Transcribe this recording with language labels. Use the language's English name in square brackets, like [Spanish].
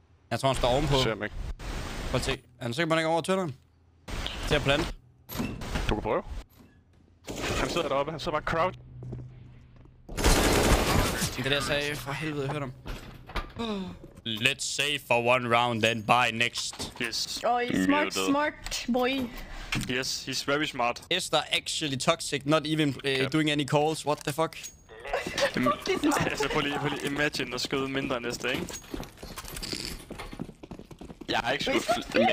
[Danish] Jeg tror han står ovenpå. Ser ham ikke. Prøv at se. Er han sikker på, han ikke er over tønderen? Til at plante. Du kan prøve. Han sidder deroppe, han sidder bare crouch. Det er det, jeg sagde. For helvede, jeg hørte ham. [English] Let's save for one round, then buy next. Yes. Oh, he's smart, smart boy. Yes, he's very smart. Esther actually toxic, not even doing any calls. What the fuck? [Danish] Altså prøv lige, imagine at skyde mindre næste, ikke? Jeg har ikke skudt mindre.